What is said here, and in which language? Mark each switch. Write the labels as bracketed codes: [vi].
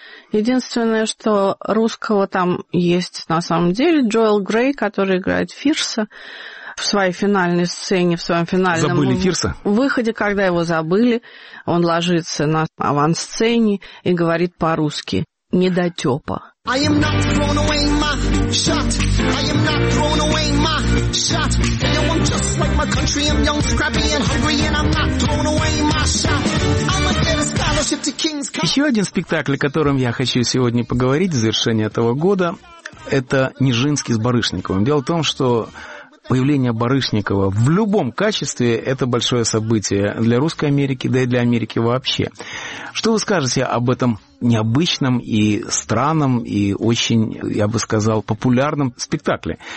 [ru] Единственное, что русского там есть на самом деле, Джоэл Грей, который играет Фирса в своей финальной сцене, в своем финальном забыли Фирса. Выходе, когда его забыли, он ложится на авансцене и говорит по-русски «недотёпа». [en] I am not thrown away my shot. I am not thrown away my shot. Hey, yo, I'm just like my country. I'm young, scrappy and hungry, and I'm not thrown away my shot. [ru] Еще один спектакль, о котором я хочу сегодня поговорить в завершении этого года, это «Нежинский с Барышниковым». Дело в том, что появление Барышникова в любом качестве – это большое событие для Русской Америки, да и для Америки вообще. Что вы скажете об этом необычном и странном, и очень, я бы сказал, популярном спектакле?